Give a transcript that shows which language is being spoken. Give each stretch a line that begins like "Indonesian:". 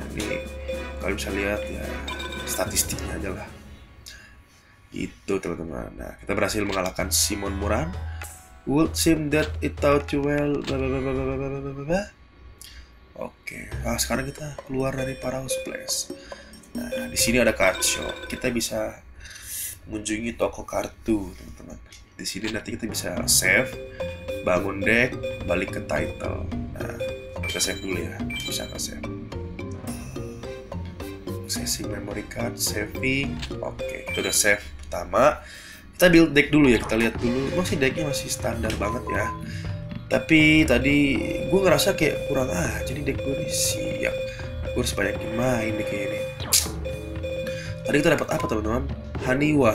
Indonesian: Ini kalian bisa lihat ya statistiknya aja lah. Gitu teman-teman. Nah, kita berhasil mengalahkan Simon Muran.
English: Would seem that it taught you well. Blablabla. Oke.
Indonesian: Nah, sekarang kita keluar dari Paradox Place. Nah, di sini ada card shop. Kita bisa mengunjungi toko kartu, teman-teman. Di sini nanti kita bisa save, bangun deck, balik ke title. Nah, kita save dulu ya, bisa nggak save?
English: Saving memory card, saving.
Indonesian: Oke, itu udah save pertama. Kita build deck dulu ya, kita lihat dulu. Masih decknya masih standar banget ya. Tapi tadi gue ngerasa kayak kurang aja nih deck gue. Siap, gue harus banyakin main deh kayak ini. Tadi kita dapat apa teman-teman? Haniwa.